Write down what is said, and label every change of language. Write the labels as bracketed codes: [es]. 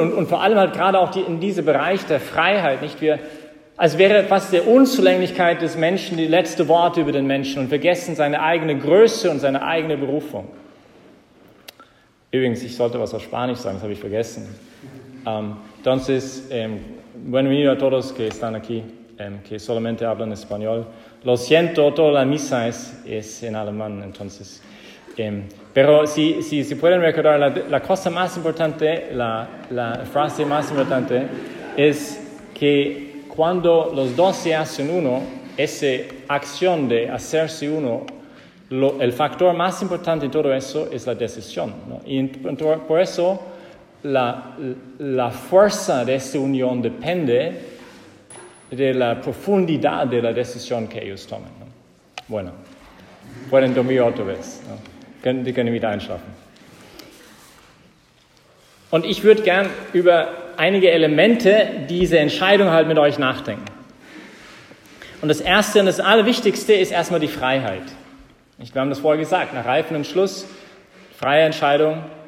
[de] Und vor allem halt gerade auch in diesem Bereich der Freiheit, nicht? Als wäre fast der Unzulänglichkeit des Menschen die letzte Worte über den Menschen und vergessen seine eigene Größe und seine eigene Berufung. Übrigens, ich sollte was auf Spanisch sagen, das habe ich vergessen. [es] Entonces, bienvenido a todos que están aquí, que solamente hablan español. Lo siento, toda la misa es en alemán, entonces. Pero si pueden recordar, la cosa más importante, la frase más importante es que cuando los dos se hacen uno, esa acción de hacerse uno, el factor más importante en todo eso es la decisión, ¿no? Y por eso la fuerza de esa unión depende de la profundidad de la decisión que ellos tomen, ¿no? Bueno, pueden dormir otra vez, ¿no? [de] Die können wieder einschlafen. Und ich würde gern über einige Elemente dieser Entscheidung halt mit euch nachdenken. Und das Erste und das Allerwichtigste ist erstmal die Freiheit. Wir haben das vorher gesagt, nach reifem Entschluss, freie Entscheidung.